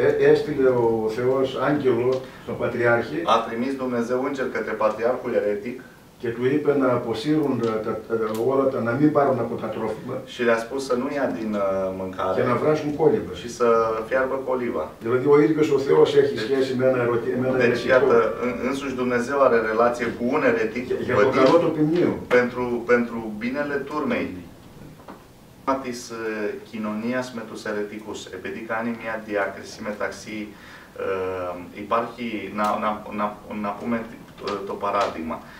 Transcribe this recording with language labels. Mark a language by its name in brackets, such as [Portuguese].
[Greek] Έστειλε ο Θεός άγγελο στον Πατριάρχη. [Romanian] A trimis Dumnezeu înger către Πατριάρχου αιρετικ. [Greek] Και του είπε να αποσύρουν όλα τα, να μην πάρουν από τα τρόφιμα. [Romanian] Și le-a spus să nu ia din mâncare. [Greek] Και να βράσουν κόλυβα. [Romanian] Și să fiarbă κόλυβα. [Greek] Δηλαδή ο ίδιος ο Θεός έχει σχέση με ένα ερετικό. [Romanian] Deci, iată, însuși Dumnezeu are relație cu un eretic. [Greek] Για το καλό του ποιμνίου. [Romanian] Pentru binele turmei. [Greek] Της κοινωνίας με τους ερετικούς, επειδή κάνει μια διάκριση μεταξύ, υπάρχει, να πούμε το παράδειγμα.